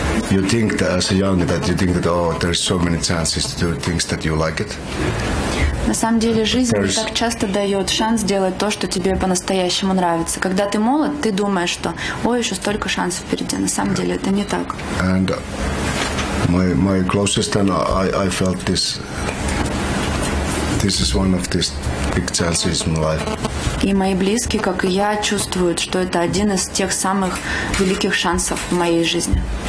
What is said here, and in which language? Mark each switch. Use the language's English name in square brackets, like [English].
[English] You think that as a young that you think that oh there's so many chances to do things that you like it. [Russian] На самом деле жизнь не так часто дает шанс делать то, что тебе по-настоящему нравится. Когда ты молод, ты думаешь, что ой, еще столько шансов впереди. На самом деле это не так. [English] And my closest and I felt this is one of these big chances in life. [Russian] И мои близкие, как и я, чувствуют, что это один из тех самых великих шансов в моей жизни.